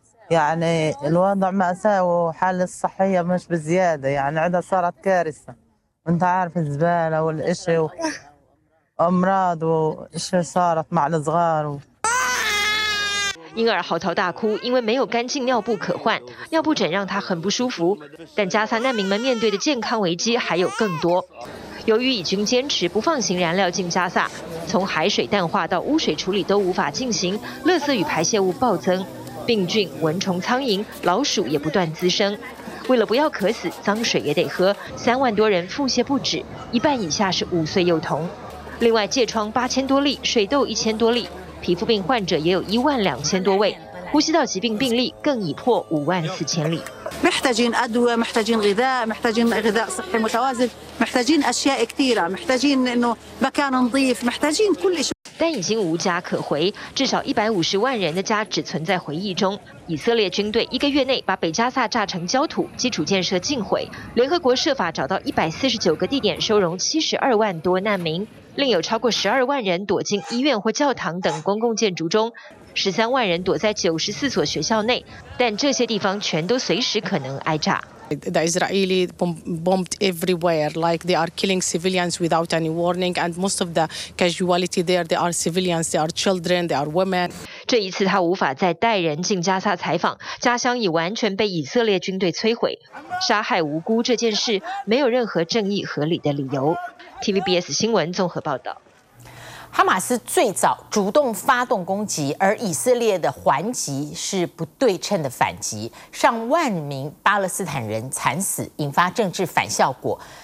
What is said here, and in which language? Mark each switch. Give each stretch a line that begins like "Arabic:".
Arabic: يعني الوضع مأساوي وحال الصحية مش بزيادة يعني عندها صارت كارثة وانت عارف الزبالة والإشي وأمراض وإشي صارت مع الصغار
Chinese: 婴儿嚎啕大哭，因为没有干净尿布可换，尿布枕让他很不舒服。但加萨难民们面对的健康危机还有更多。由于以军坚持不放行燃料进加萨，从海水淡化到污水处理都无法进行，垃圾与排泄物暴增，病菌、蚊虫、苍蝇、老鼠也不断滋生。为了不要渴死，脏水也得喝，3万多人腹泻不止，一半以下是5岁幼童。另外，疥疮8000多例，水痘1000多例，皮肤病患者也有12000多位，呼吸道疾病病例更已破54000例。
Arabic: محتاجين أدوية، محتاجين غذاء، محتاجين غذاء صحي متوازن، محتاجين أشياء كثيرة، محتاجين إنه مكان نظيف، محتاجين كل شيء.
Chinese: 但已经无家可回，至少150万人的家只存在回忆中。以色列军队一个月内把北加萨炸成焦土，基础建设尽毁。联合国设法找到149个地点收容72万多难民，另有超过12万人躲进医院或教堂等公共建筑中。 13万人躲在94所学校内，但这些地方全都随时可能挨炸。
English: The Israeli bombed everywhere, like they are killing civilians without any warning, and most of the casualty there, they are civilians, they are children, they are women.
Chinese: 这一次他无法再带人进加萨采访，家乡已完全被以色列军队摧毁。杀害无辜这件事没有任何正义合理的理由。 TVBS 新闻综合报道。哈马斯最早主动发动攻击，而以色列的还击是不对称的反击，上万名巴勒斯坦人惨死，引发政治反效果。